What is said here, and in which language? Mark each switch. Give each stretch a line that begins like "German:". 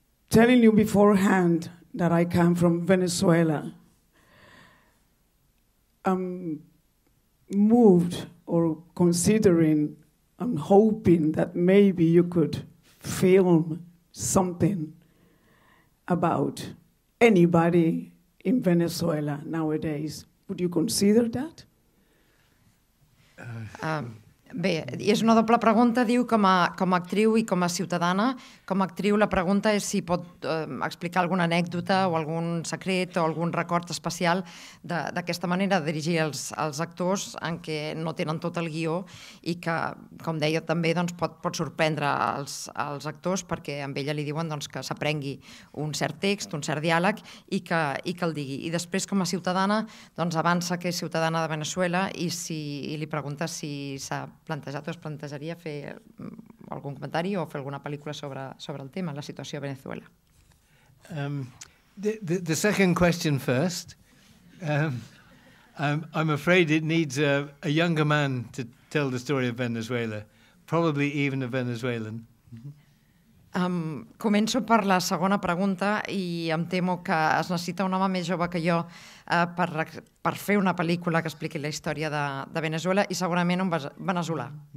English: Telling you beforehand that I come from Venezuela, moved or considering and hoping that maybe you could film something about anybody in Venezuela nowadays. Would you consider that?
Catalan: Bé, és una doble pregunta, diu, com a actriu i com a ciutadana. Com a actriu, la pregunta és si pot explicar alguna anècdota o algun secret o algun record especial d'aquesta manera de dirigir els actors en què no tenen tot el guió i que, com deia, també doncs, pot sorprendre els actors perquè amb ella li diuen doncs, que s'aprengui un cert text, un cert diàleg i que el digui. I després, com a ciutadana, doncs, avança que és ciutadana de Venezuela i li pregunta si sap plantejat o es plantejaria fer algun comentari o fer alguna pel·lícula sobre el tema, la situació a Venezuela.
English: The second question first. I'm afraid it needs a younger man to tell the story of Venezuela, probably even a Venezuelan.
Catalan: Començo per la segona pregunta i em temo que es necessita un home més jove que jo per fer una pel·lícula que expliqui la història de Venezuela i segurament un venezolà.